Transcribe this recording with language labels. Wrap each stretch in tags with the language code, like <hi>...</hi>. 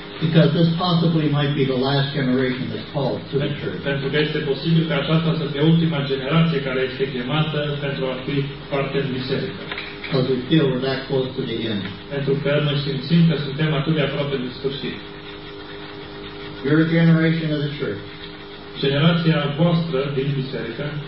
<en>Because this possibly might be the last generation that's called to the church.</en> <ro>Pentru că este posibil că aceasta să fie ultima generație care este chemată pentru a fi parte din biserică.</ro> <en>Because we feel we're that close to the end.</en> <ro>Pentru că noi simțim că suntem atât de aproape de sfârșit.</ro> <en>Your generation of the church.</en> <ro>Generația voastră din biserică.</ro>